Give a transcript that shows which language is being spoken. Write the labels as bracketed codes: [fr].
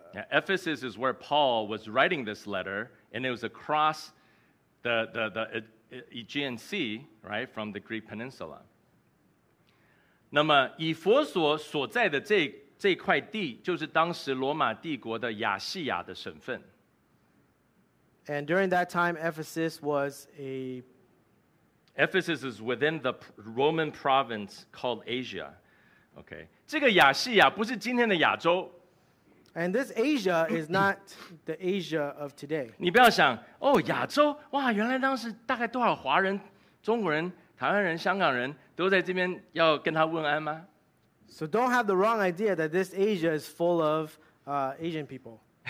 [en] Ephesus is where Paul was writing this letter, and it was across the Aegean Sea, right, from the Greek peninsula. [zh] 那么以弗所在的这块地就是当时罗马帝国的亚细亚的省份。 [en] And during that time, Ephesus was a... Ephesus is within the Roman province called Asia. Okay. [zh] 这个亚细亚不是今天的亚洲。 [en] And this Asia is not the Asia of today. [zh] 你不要想, 哦, 亚洲, 哇, 原来当时大概多少华人, 中国人, 台湾人, 香港人, 都在这边要跟他问安吗? [en] So don't have the wrong idea that this Asia is full of Asian people.